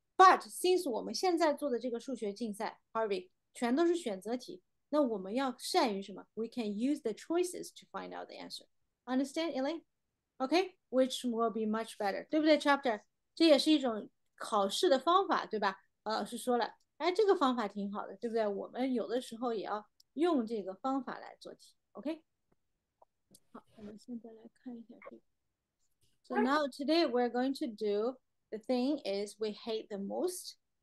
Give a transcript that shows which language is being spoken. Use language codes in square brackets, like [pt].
[en] But since [zh] 我们现在做的这个数学竞赛， Harvey, 全都是选择题。那我们要善于什么? [en] We can use the choices to find out the answer. Understand, Elaine? Okay, which will be much better. [zh] 对不对, Chapter? 这也是一种考试的方法,对吧? 老师说了,这个方法挺好的,对不对?我们有的时候也要用这个方法来做题,OK? 好,我们现在来看一下这个。 [en] So now, today, we're going to do the thing is we hate the most.